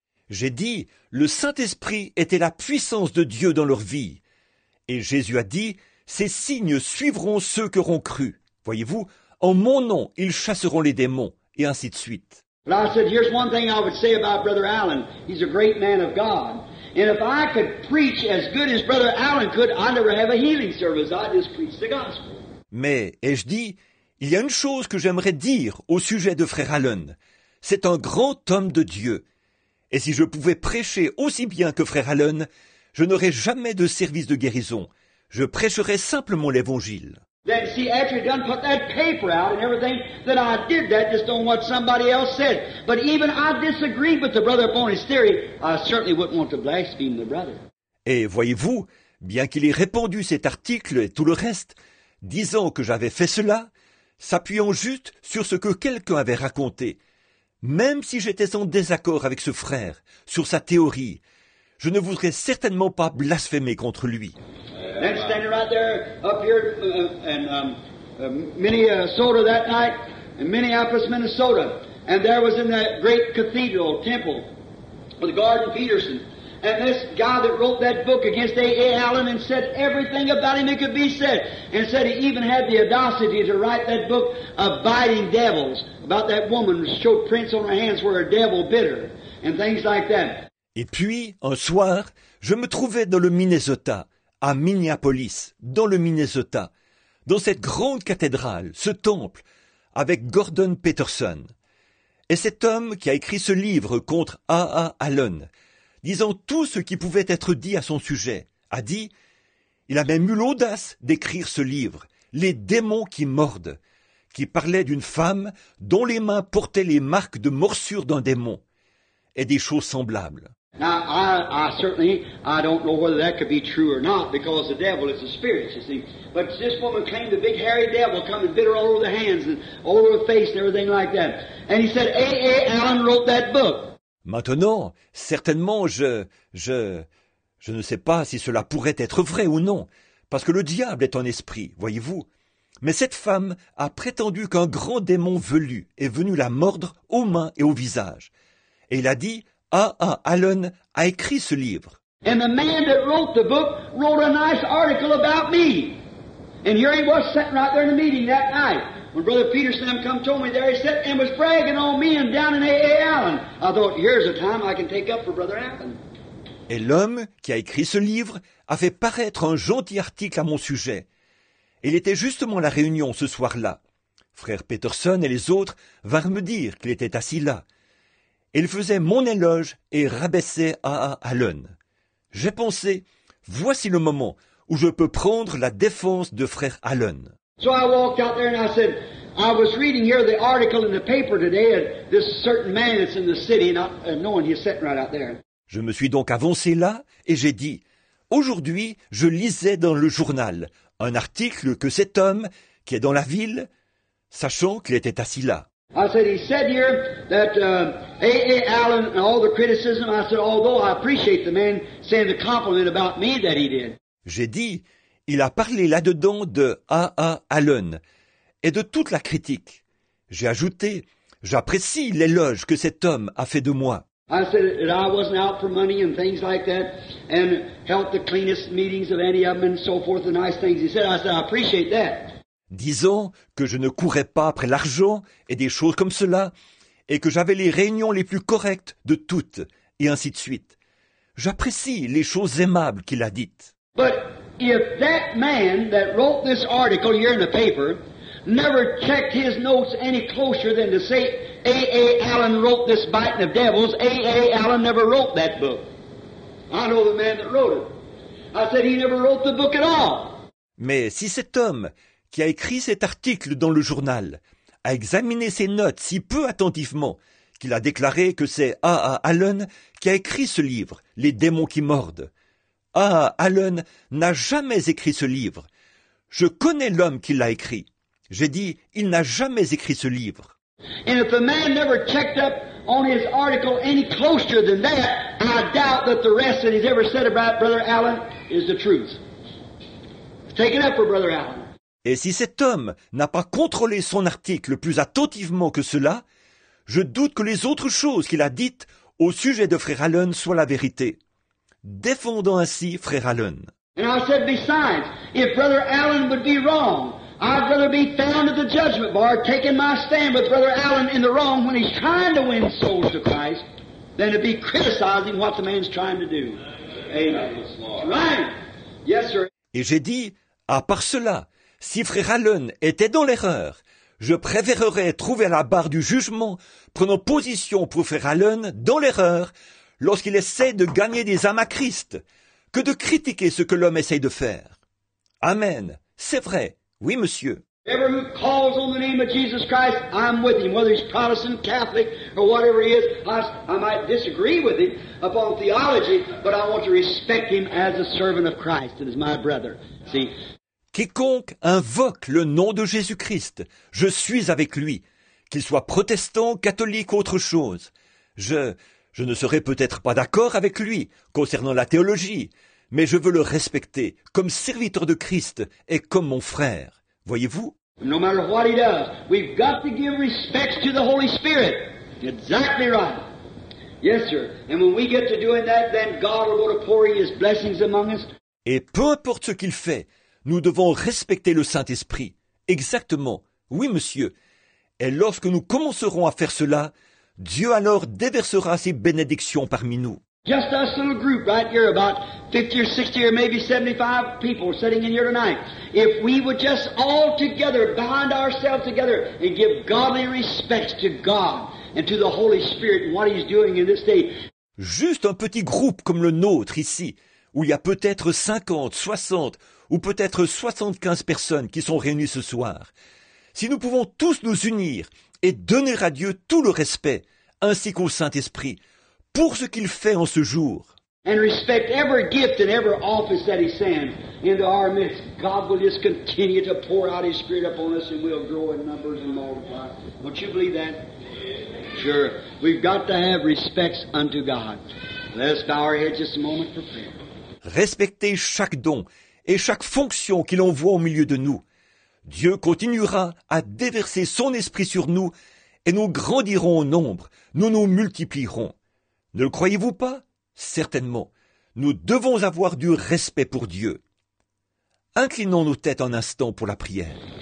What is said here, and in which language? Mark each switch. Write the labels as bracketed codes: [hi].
[fr] J'ai dit, le Saint-Esprit était la puissance de Dieu dans leur vie. Et Jésus a dit, « Ces signes suivront ceux qui auront cru. » Voyez-vous, « En mon nom, ils chasseront les démons. » Et ainsi de suite. [en] Well, I said, here's one thing I would say about Brother Allen. He's a great man of God. And if I could preach as good as Brother Allen could, I'd never have a healing service. I'd just preach the gospel. [fr] Mais, ai-je dit, il y a une chose que j'aimerais dire au sujet de Frère Allen. C'est un grand homme de Dieu. Et si je pouvais prêcher aussi bien que Frère Allen, je n'aurais jamais de service de guérison. Je prêcherais simplement l'Évangile. [en] Then see, after you done put that paper out and everything, then I did that just on what somebody else said. But even I disagreed with the brother upon his theory, I certainly wouldn't want to blaspheme the brother. [fr] Et voyez-vous, bien qu'il ait répondu cet article et tout le reste, disant que j'avais fait cela, s'appuyant juste sur ce que quelqu'un avait raconté, même si j'étais en désaccord avec ce frère sur sa théorie, je ne voudrais certainement pas blasphémer contre lui. [en] And standing right there, up here, Minnesota that night, in Minneapolis, Minnesota. And there was in that great cathedral, temple, with Garden Peterson. And this guy that wrote that book against A.A. Allen and said everything about him that could be said. And said he even had the audacity to write that book, Abiding Devils, about that woman who showed prints on her hands where a devil bit her, and things like that. [fr] Et puis, un soir, je me trouvais dans le Minnesota, à Minneapolis, dans le Minnesota, dans cette grande cathédrale, ce temple, avec Gordon Peterson. Et cet homme qui a écrit ce livre contre A.A. Allen, disant tout ce qui pouvait être dit à son sujet, a dit, il a même eu l'audace d'écrire ce livre, « Les démons qui mordent », qui parlait d'une femme dont les mains portaient les marques de morsure d'un démon, et des choses semblables. [en] Now, I don't know whether that could be true or not, because the devil is a spirit, you see. But this woman claimed the big hairy devil come and bit her all over the hands and all over the face and everything like that. And he said, A.A. Allen wrote that book. [fr] Maintenant, certainement, je ne sais pas si cela pourrait être vrai ou non, parce que le diable est un esprit, voyez-vous. Mais cette femme a prétendu qu'un grand démon velu est venu la mordre aux mains et au visage. Et il a dit, A.A. Allen a écrit ce livre. [en] And the man that wrote the book wrote a nice article about me. And here he was sitting right there in the meeting that night. When Brother Peterson come told me there, he sat and was bragging on me and down in A.A. Allen. I thought, here's a time I can take up for Brother Allen. [fr] Et l'homme qui a écrit ce livre a fait paraître un gentil article à mon sujet. Il était justement à la réunion ce soir-là. Frère Peterson et les autres vinrent me dire qu'il était assis là. Il faisait mon éloge et rabaissait A.A. Allen. J'ai pensé, voici le moment où je peux prendre la défense de frère Allen. [en] So I walked out there and I said, I was reading here the article in the paper today of this certain man that's in the city not knowing he's sitting right out there. [fr] Je me suis donc avancé là et j'ai dit, aujourd'hui, je lisais dans le journal un article que cet homme qui est dans la ville, sachant qu'il était assis là. [en] I said, he said here that A.A. Allen and all the criticism, I said, although I appreciate the man saying the compliment about me that he did. [fr] J'ai dit, il a parlé là-dedans de A.A. Allen et de toute la critique. J'ai ajouté, j'apprécie l'éloge que cet homme a fait de moi. [en] I said that I wasn't out for money and things like that and helped the cleanest meetings of any of them and so forth, the nice things. I said, I appreciate that. [fr] Disant que je ne courais pas après l'argent et des choses comme cela, et que j'avais les réunions les plus correctes de toutes, et ainsi de suite. J'apprécie les choses aimables qu'il a dites. [en] But if that man that wrote this article here in the paper never checked his notes any closer than to say A.A. Allen wrote this biting of devils, A.A. Allen never wrote that book. I know the man that wrote it. I said he never wrote the book at all. [fr] Mais si cet homme qui a écrit cet article dans le journal, a examiné ses notes si peu attentivement qu'il a déclaré que c'est A.A. Allen qui a écrit ce livre, « Les démons qui mordent ». A.A. Allen n'a jamais écrit ce livre. Je connais l'homme qui l'a écrit. J'ai dit, il n'a jamais écrit ce livre. [en] And if the man never checked up on his article any closer than that, I doubt that the rest that he's ever said about Brother Allen is the truth. Take it up for Brother Allen. [fr] Et si cet homme n'a pas contrôlé son article plus attentivement que cela, je doute que les autres choses qu'il a dites au sujet de frère Allen soient la vérité. Défendons ainsi frère Allen. [en] And I said, besides, if Brother Allen would be wrong, I'd rather be found at the judgment bar taking my stand with Brother Allen in the wrong when he's trying to win souls to Christ than to be criticizing what the man's trying to do. Amen. Right. Yes, sir. [fr] Et j'ai dit, à part cela, si Frère Allen était dans l'erreur, je préférerais trouver à la barre du jugement, prenant position pour Frère Allen dans l'erreur lorsqu'il essaie de gagner des âmes à Christ, que de critiquer ce que l'homme essaye de faire. Amen. C'est vrai. Oui, monsieur. [en] Whoever who calls on the name of Jesus Christ, I'm with him. Whether he's Protestant, Catholic, or whatever he is, I might disagree with him upon theology, but I want to respect him as a servant of Christ and as my brother. See? [fr] Quiconque invoque le nom de Jésus-Christ, je suis avec lui. Qu'il soit protestant, catholique ou autre chose, je ne serai peut-être pas d'accord avec lui concernant la théologie, mais je veux le respecter comme serviteur de Christ et comme mon frère. Voyez-vous? [en] No matter what he does, we've got to give respects to the Holy Spirit. Exactly right. Yes, sir. And when we get to doing that, then God will go to pour his blessings among us. [fr] Et peu importe ce qu'il fait, nous devons respecter le Saint-Esprit. Exactement. Oui, monsieur. Et lorsque nous commencerons à faire cela, Dieu alors déversera ses bénédictions parmi nous. [en] Just us little group right here, about 50 or 60 or maybe 75 people sitting in here tonight. If we would just all together bind ourselves together and give godly respects to God and to the Holy Spirit and what he's doing in this day. [fr] Juste un petit groupe comme le nôtre ici, où il y a peut-être 50, 60 ou peut-être 75 personnes qui sont réunies ce soir. Si nous pouvons tous nous unir et donner à Dieu tout le respect, ainsi qu'au Saint-Esprit, pour ce qu'il fait en ce jour. [en] And respect every gift and every office that he sends into our midst. God will just continue to pour out his Spirit upon us and we'll grow in numbers and multiply. Don't you believe that? Sure. We've got to have respects unto God. Let's bow our heads just a moment for prayer. [fr] Respectez chaque don et chaque fonction qu'il envoie au milieu de nous. Dieu continuera à déverser son esprit sur nous et nous grandirons en nombre, nous nous multiplierons. Ne le croyez-vous pas? Certainement. Nous devons avoir du respect pour Dieu. Inclinons nos têtes un instant pour la prière.